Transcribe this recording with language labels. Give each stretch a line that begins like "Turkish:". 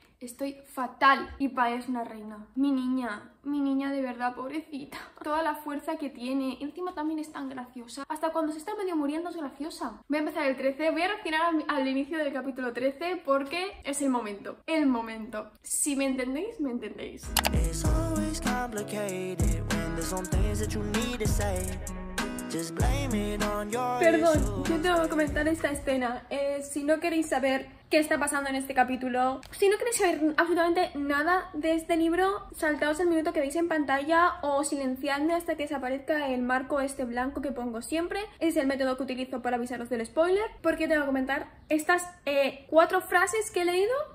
Spanish: Estoy fatal. Y Pai es una reina. Mi niña de verdad, pobrecita. Toda la fuerza que tiene. Encima también es tan graciosa. Hasta cuando se está medio muriendo es graciosa. Voy a empezar el 13. Voy a reaccionar al inicio del capítulo 13 porque es el momento. El momento. Si me entendéis, me entendéis.
English: It's always complicated when there's some things that you need to say. Just blame it on your issues.
Spanish: Perdón, yo tengo que comentar esta escena. Si no queréis saber qué está pasando en este capítulo, si no queréis saber absolutamente nada de este libro, saltaos el minuto que veis en pantalla o silenciadme hasta que desaparezca el marco este blanco que pongo siempre. Ese es el método que utilizo para avisaros del spoiler, porque tengo que comentar estas cuatro frases que he leído.